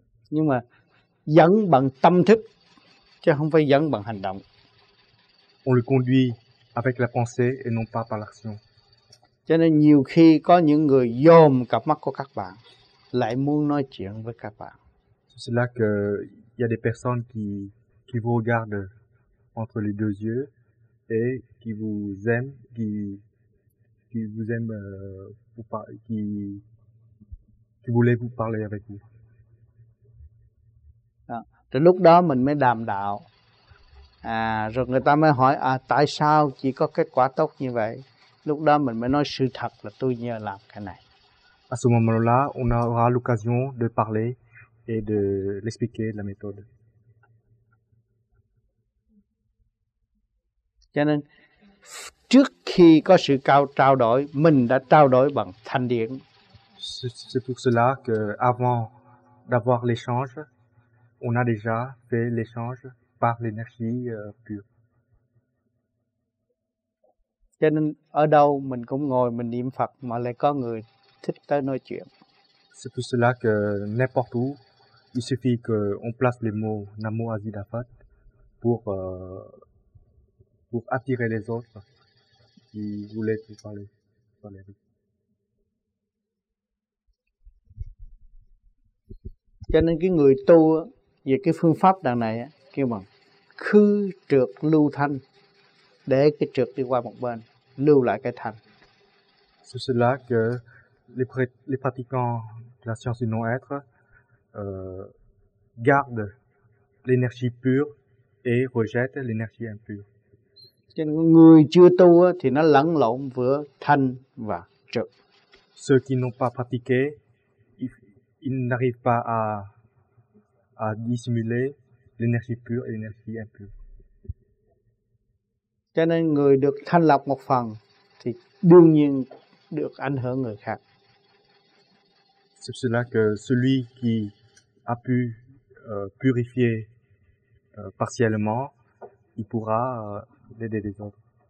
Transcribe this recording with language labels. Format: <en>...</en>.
<vi>Nhưng mà dẫn bằng tâm thức chứ không phải dẫn bằng hành động.</vi> <fr>On le conduit avec la pensée et non pas par l'action.</fr> <vi>Cho nên nhiều khi có những người dòm cặp mắt của các bạn lại muốn nói chuyện với các bạn.</vi> <fr>C'est là que il y a des personnes qui vous regardent entre les deux yeux et qui vous aiment, qui vous aiment pour qui voulaient vous parler avec vous.</fr> <vi>Đó. Lúc đó mình mới đàm đạo. À, rồi người ta mới hỏi à, tại sao chỉ có kết quả tốt như vậy? Lúc đó mình mới nói sự thật là tôi nhờ làm cái này.</vi> <fr>À ce moment-là, on aura l'occasion de parler et de l'expliquer la méthode.</fr> <vi>Cho nên trước khi có sự trao đổi, mình đã trao đổi bằng thanh điển.</vi> <fr>C'est pour cela que avant d'avoir l'échange, on a déjà fait l'échange par l'énergie pure.</fr> <vi>Cho nên ở đâu mình cũng ngồi mình niệm Phật mà lại có người thích tới nói chuyện.</vi> <fr>C'est pour cela que n'importe où, il suffit qu'on place les mots Namo Ajita Phat pour attirer les autres qui voulait te parler dans les rues.</fr> <vi>Cho nên cái người tu về cái phương pháp đằng này kêu bằng khứ trược lưu thanh, để cái trược đi qua một bên, lưu lại cái thanh.</vi> <fr>C'est cela que les pratiquants de la science du non-être gardent l'énergie pure et rejettent l'énergie impure.</fr> <vi>Cho nên người chưa tu thì nó lẫn lộn giữa thanh và trược.</vi> <fr>Ceux qui n'ont pas pratiqué, ils n'arrivent pas à dissimuler l'énergie pure et l'énergie impure.</fr> <vi>Cho nên người được thanh lọc một phần thì đương nhiên được ảnh hưởng người khác.</vi> <fr>C'est cela que celui qui a pu purifier partiellement, il pourra aider les autres.</fr>